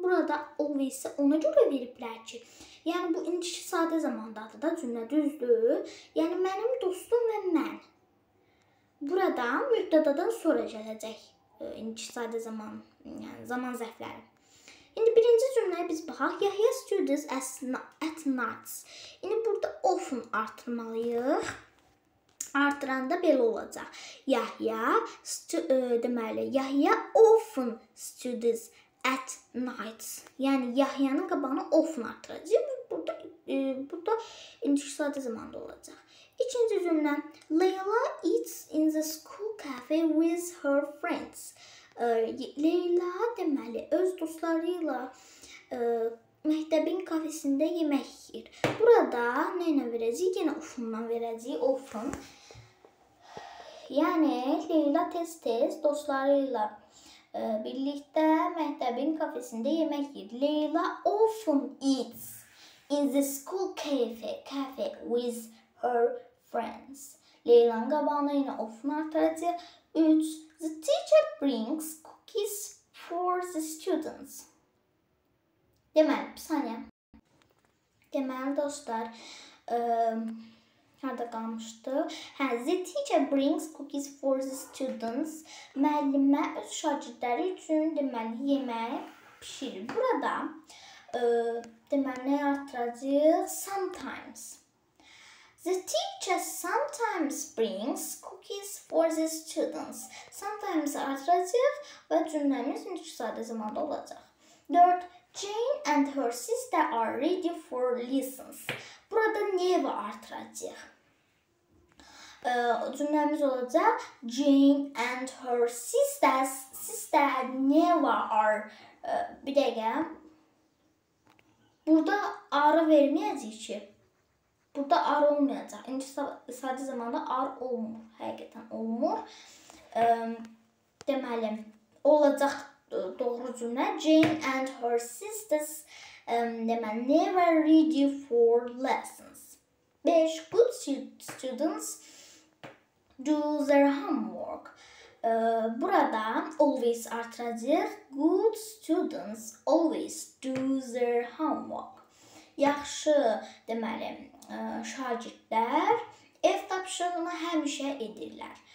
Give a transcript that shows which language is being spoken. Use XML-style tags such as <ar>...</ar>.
<az>Burada always-i ona görə veriblər ki, yəni bu indiki sadə zamandadır da cümlə düzdür. Yəni mənim dostum və mən burada mübtədadan sonra gələcək indiki sadə zaman, yəni zaman zərfləri. İndi birinci cümləyə biz baxaq.</az> <en>Yahya students at nights.</en> <az>İndi burada often artırmalıyıq. Artıranda belə olacaq.</az> <en>Yahya deməli Yahya often students at nights.</en> <az>Yəni Yahyanın qabağını often artıracağıq. Burada indiki sadə zamanda olacaq. İkinci cümlə.</az> <en>Leyla eats in the school cafe with her friends.</en> <az>Leyla deməli öz dostları ilə məktəbin kafesində yemək yer. Burada nə ilə verəcəyik? Yenə ofundan verəcəyik. Ofun. Yəni, Leyla tez-tez dostları ilə birlikdə məktəbin kafesində yemək yer.</az> <en>Leyla often eats in the school cafe with her friends.</en> <az>Leyla qabağına yenə ofun artıracaq. 3.</az> <en>The teacher brings cookies for the students.</en> <az>Deməli, bir saniyə. Deməli, dostlar, harada qalmışdı? Hə,</az> <en>the teacher brings cookies for the students.</en> <az>Müəllimə öz şagirdləri üçün, deməli, yemək pişirir. Burada, deməli, nəyə artıracaq?</az> <en>Sometimes. The teacher sometimes brings cookies for the students.</en> <az>Sometimes artıracaq və cümləmiz indiki sadə zamanda olacaq. 4.</az> <en>Jane and her sister are ready for lessons.</en> <az>Burada never artıracaq. Cümləmiz olacaq.</az> <en>Jane and her sister never are...</en> <az>bir dəqiqə. Burada arı verməyəcək ki. Burada ar olmayacaq. İndi sadə zamanda ar olmur. Həqiqətən olmur. Deməli, olacaq doğru cümlə.</az> <en>Jane and her sisters never ready for lessons. 5. Good students do their homework.</en> <az>Burada always artıracaq.</az> <en>Good students always do their homework.</en> <az>Yaxşı, deməli, şagirdlər ev tapşırığını həmişə edirlər.</az>